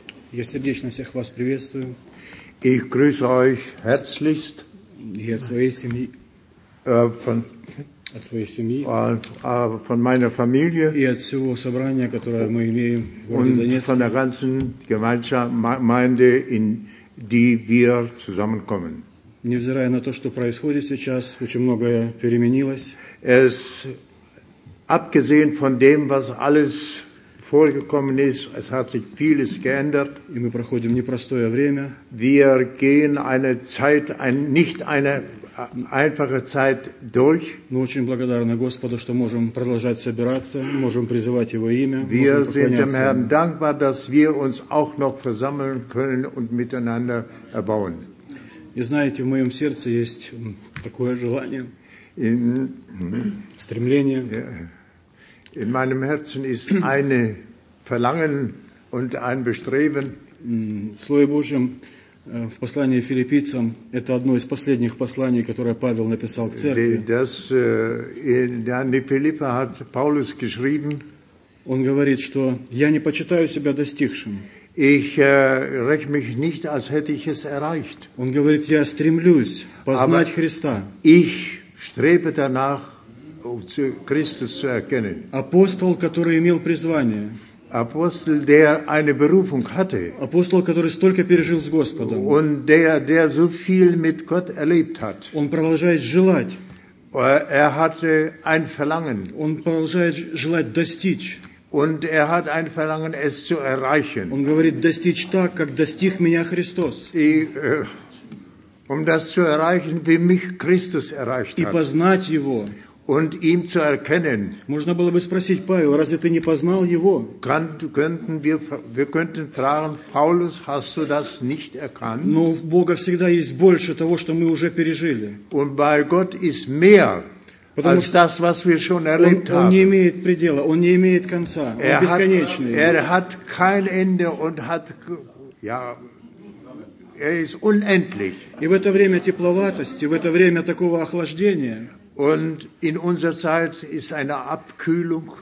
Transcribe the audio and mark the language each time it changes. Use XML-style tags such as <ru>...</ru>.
<ru>Я сердечно всех вас приветствую.</ru> <de>Ich grüße euch herzlichst.</de> <ru>Я своей семьи. От своей семьи.</ru> <de>Von meiner Familie.</de> <ru>И от всего собрания, которое мы имеем в городе Донецке.</ru> <de>Von der ganzen Gemeinschaft, Gemeinde, in die wir zusammenkommen.</de> <ru>Невзирая на то, что происходит сейчас, очень многое переменилось.</ru> <de>Es, abgesehen von dem, was alles vorgekommen ist, es hat sich vieles geändert.</de> <ru>И мы проходим непростое время.</ru> <de>Wir gehen eine Zeit, nicht eine einfache Zeit durch.</de> <ru>Мы очень благодарны Господу, что можем продолжать собираться, можем призывать Его имя.</ru> <de>Wir sind dem Herrn dankbar, dass wir uns auch noch versammeln können und miteinander erbauen.</de> <ru>И знаете, в моем сердце есть такое желание, стремление.</ru> <de>In meinem Herzen ist ein Verlangen und ein Bestreben.</de> <ru>Слово Божье в послании Филиппийцам – это одно из последних посланий, которое Павел написал к церкви.</ru> <de>Das in die Philippa hat Paulus geschrieben.</de> <ru>Он говорит, что я не почитаю себя достигшим.</ru> <de>Ich rechne mich nicht, als hätte ich es erreicht.</de> <ru>Он говорит, я стремлюсь познать Христа.</ru> <de>Ich strebe danach, Christus zu erkennen.</de> <ru>Апостол, который имел призвание.</ru> <de>Apostel, der eine Berufung hatte.</de> <ru>Апостол, который столько пережил с Господом.</ru> <de>Und der so viel mit Gott erlebt hat.</de> <ru>Он продолжает желать.</ru> <de>Hatte ein Verlangen.</de> <ru>Он продолжает желать достичь.</ru> <de>Und hat ein Verlangen, es zu erreichen.</de> <ru>Он говорит, достичь так, как достиг меня Христос. И</ru> <de>das zu erreichen, wie mich Christus erreicht hat.</de> <ru>И познать Его.</ru> <de>Und ihm zu erkennen.</de> <ru>Можно было бы спросить Павел, разве ты не познал его?</ru> <de>Wir könnten fragen, Paulus, hast du das nicht erkannt?</de> <ru>Но у Бога всегда есть больше того, что мы уже пережили.</ru> <de>Und bei Gott ist mehr als das, was wir schon erlebt haben.</de> <ru>Он не имеет предела, он не имеет конца, он бесконечный.</ru> <de>Hat kein Ende und ist unendlich.</de> <ru>И в это время тепловатости, в это время такого охлаждения.</ru> <de>Und in unserer Zeit ist eine Abkühlung.</de>